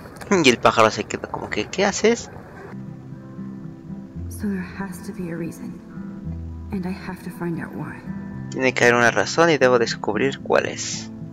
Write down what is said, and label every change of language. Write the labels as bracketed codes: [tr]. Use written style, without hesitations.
[es] Y el pájaro se queda como que, ¿qué haces? [en] So there has to be a reason, and I have to find out why. [es] Tiene que haber una razón y debo descubrir cuál es.